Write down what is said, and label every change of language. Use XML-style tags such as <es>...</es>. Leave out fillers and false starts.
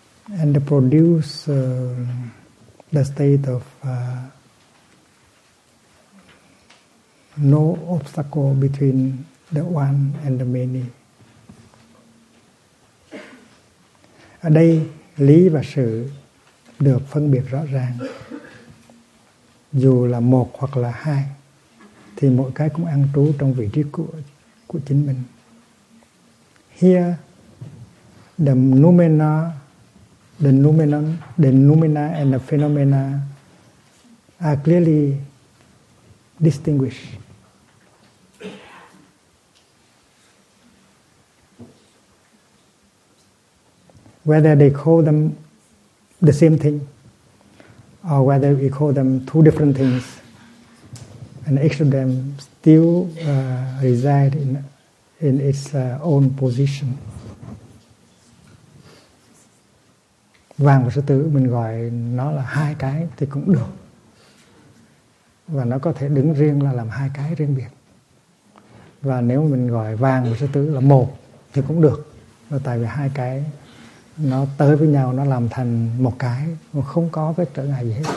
<en>And they produce the state of no obstacle between the one and the many.</en> <vi>Ở đây, lý và sự được phân biệt rõ ràng. Dù là một hoặc là hai, thì mỗi cái cũng an trú trong vị trí của chính mình.</vi> <en>Here, the noumena and the phenomena are clearly distinguished. Whether they call them the same thing, or whether we call them two different things, and each of them still reside in its own position.</en> <vi>Vàng và sư tử mình gọi nó là hai cái thì cũng được, và nó có thể đứng riêng là làm hai cái riêng biệt. Và nếu mình gọi vàng và sư tử là một thì cũng được, và tại vì hai cái nó tới với nhau, nó làm thành một cái, không có cái trở ngại gì hết.</vi>